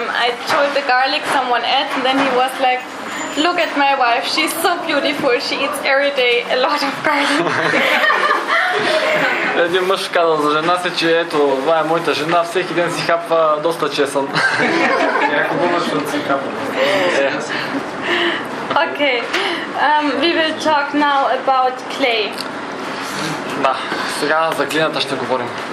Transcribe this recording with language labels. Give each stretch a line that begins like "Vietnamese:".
English: I told the garlic someone ate, and then he was like, look at my wife, she's so beautiful, she eats every day a lot of garlic.
Bulgarian: Един мъж каза за жена си, че ето, това е моята жена, всеки ден си хапва доста чесън. Някакво мъж да си хапва.
English: Okay, we will talk now about clay.
Bulgarian: Да, сега за глината ще говорим.